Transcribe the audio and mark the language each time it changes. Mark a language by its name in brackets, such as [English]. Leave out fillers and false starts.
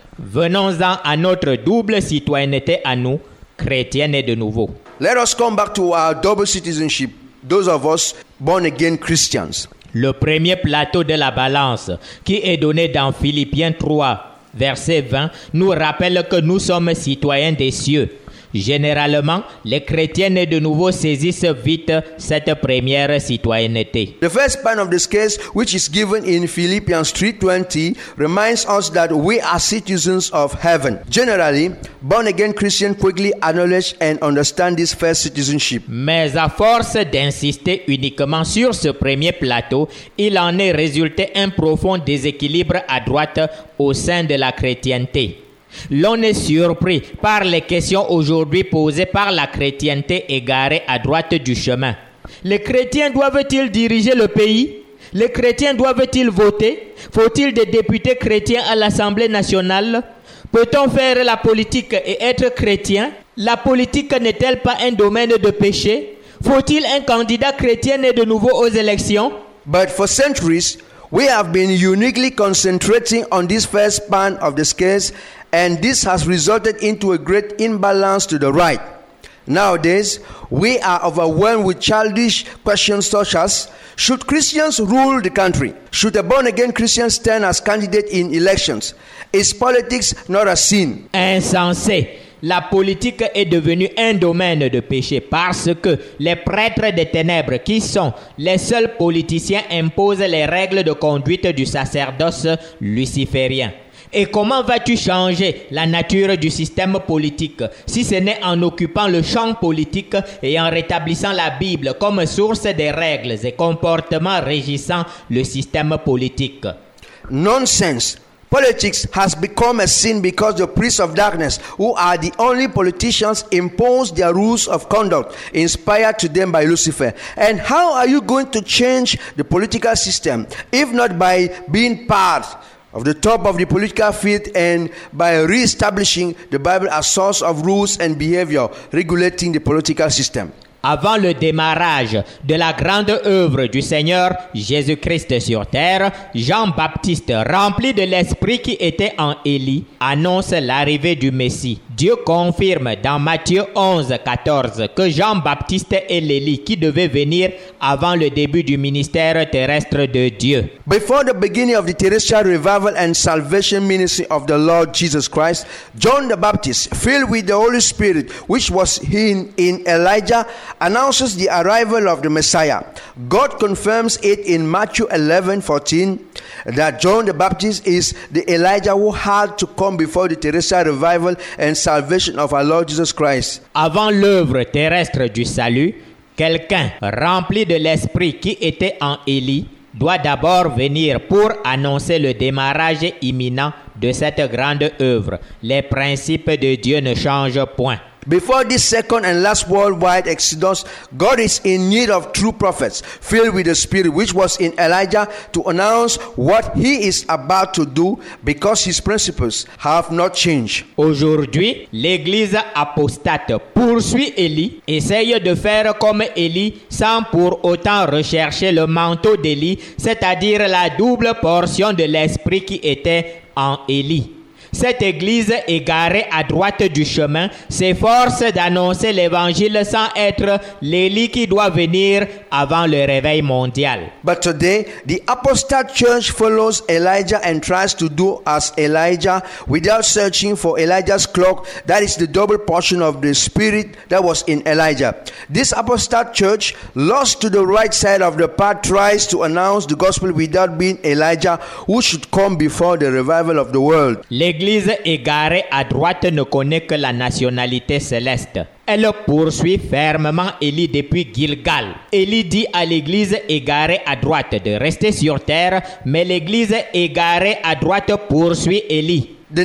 [French] Venons-en à notre double citoyenneté à nous, chrétienne et de nouveau. [English] Let us come back to our double citizenship, those of us born again Christians. [French] Le premier plateau de la balance qui est donné dans Philippiens 3, verset 20, nous rappelle que nous sommes citoyens des cieux. Généralement, les chrétiens nés de nouveau saisissent vite cette première citoyenneté. [English] The first part of the scale, which is given in Philippians 3:20, reminds us that we are citizens of heaven. Generally, born-again Christians quickly acknowledge and understand this first citizenship. [French] Mais à force d'insister uniquement sur ce premier plateau, il en est résulté un profond déséquilibre à droite au sein de la chrétienté. L'on est surpris par les questions aujourd'hui posées par la chrétienté égarée à droite du chemin. Les chrétiens doivent-ils diriger le pays? Les chrétiens doivent-ils voter? Faut-il des députés chrétiens à l'Assemblée nationale? Peut-on faire la politique et être chrétien? La politique n'est-elle pas un domaine de péché? Faut-il un candidat chrétien né de nouveau aux élections? [English] But for centuries, we have been uniquely concentrating on this first span of the scales, and this has resulted into a great imbalance to the right. Nowadays, we are overwhelmed with childish questions such as: should Christians rule the country? Should a born-again Christian stand as candidate in elections? Is politics not a sin? [French] Insensé. La politique est devenue un domaine de péché parce que les prêtres des ténèbres, qui sont les seuls politiciens, imposent les règles de conduite du sacerdoce luciférien. Et comment vas-tu changer la nature du système politique si ce n'est en occupant le champ politique et en rétablissant la Bible comme source des règles et comportements régissant le système politique? [English] Nonsense. Politics has become a sin because the priests of darkness, who are the only politicians, impose their rules of conduct inspired to them by Lucifer. And how are you going to change the political system if not by being part of the top of the political field and by reestablishing the Bible as source of rules and behavior regulating the political system? [French] Avant le démarrage de la grande œuvre du Seigneur Jésus-Christ sur terre, Jean-Baptiste, rempli de l'esprit qui était en Élie, annonce l'arrivée du Messie. Dieu confirme dans Matthieu 11, 14 que Jean-Baptiste est l'Élie qui devait venir avant le début du ministère terrestre de Dieu. [English] Before the beginning of the terrestrial revival and salvation ministry of the Lord Jesus Christ, John the Baptist, filled with the Holy Spirit, which was in Elijah, announces the arrival of the Messiah. God confirms it in Matthew 11, 14, that John the Baptist is the Elijah who had to come before the terrestrial revival and salvation of our Lord Jesus Christ. [French] Avant l'œuvre terrestre du salut, quelqu'un rempli de l'esprit qui était en Élie doit d'abord venir pour annoncer le démarrage imminent de cette grande œuvre. Les principes de Dieu ne changent point. [English] Before this second and last worldwide exodus, God is in need of true prophets filled with the Spirit, which was in Elijah, to announce what he is about to do because his principles have not changed. [French] Aujourd'hui, l'Église apostate poursuit Élie, essaye de faire comme Élie sans pour autant rechercher le manteau d'Élie, c'est-à-dire la double portion de l'Esprit qui était en Élie. Cette église égarée à droite du chemin s'efforce d'annoncer l'évangile sans être l'Élie qui doit venir avant le réveil mondial. [English] But today, the apostate church follows Elijah and tries to do as Elijah without searching for Elijah's cloak, that is the double portion of the spirit that was in Elijah. This apostate church, lost to the right side of the path, tries to announce the gospel without being Elijah, who should come before the revival of the world. [French] L'Église égarée à droite ne connaît que la nationalité céleste. Elle poursuit fermement Élie depuis Gilgal. Élie dit à l'Église égarée à droite de rester sur terre, mais l'Église égarée à droite poursuit Élie.